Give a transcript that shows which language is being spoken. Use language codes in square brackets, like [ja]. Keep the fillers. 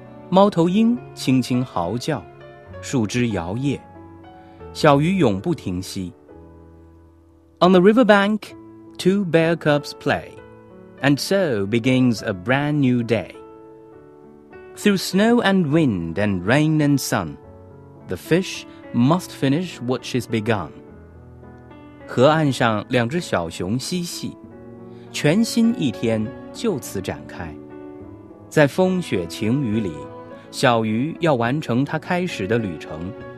[zh] 猫头鹰轻轻嚎叫，树枝摇曳，小鱼永不停息。 [en] On the river bank, two bear cubs play, and so begins a brand new day. Through snow and wind and rain and sun, the fish must finish what she's begun. [zh] 河岸上两只小熊嬉戏，全新一天就此展开。在风雪晴雨里，小鱼要完成它开始的旅程。